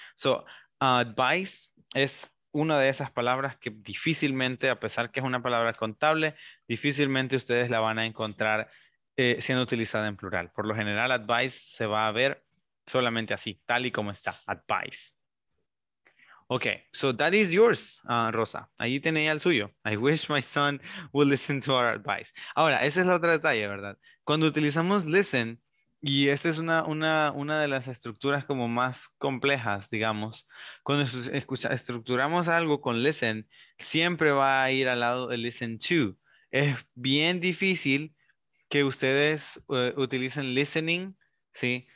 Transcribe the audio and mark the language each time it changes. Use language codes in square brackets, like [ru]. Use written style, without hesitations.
[es] So, advice es una de esas palabras que difícilmente, a pesar que es una palabra contable, difícilmente ustedes la van a encontrar siendo utilizada en plural. Por lo general, advice se va a ver solamente así, tal y como está, advice. [en] Okay, so that is yours, Rosa. [es] Ahí tenía el suyo. [en] I wish my son would listen to our advice. [es] Ahora, ese es el otro detalle, ¿verdad? Cuando utilizamos listen, y esta es una de las estructuras como más complejas, digamos, cuando estructuramos algo con listen, siempre va a ir al lado de listen to. Es bien difícil que ustedes utilicen listening, ¿sí?